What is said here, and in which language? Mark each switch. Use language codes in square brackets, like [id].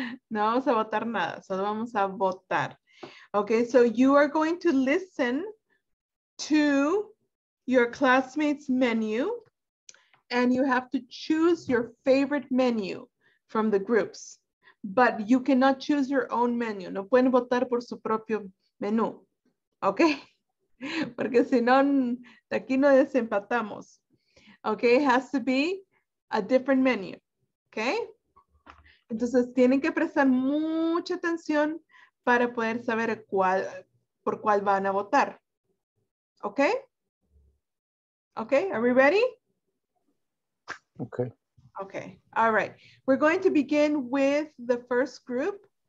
[es] No vamos a votar nada, solo vamos a votar. [en] Okay, so you are going to listen to your classmates' menu and you have to choose your favorite menu from the groups, but you cannot choose your own menu. [es] No pueden votar por su propio menú, okay? [en] Porque si no, aquí no desempatamos. Okay, it has to be a different menu, okay? [es] Entonces tienen que prestar mucha atención para poder saber cuál, por cuál van a votar, okay? [en] Okay, are we ready? Okay. Okay, all right. We're going to begin with the first group.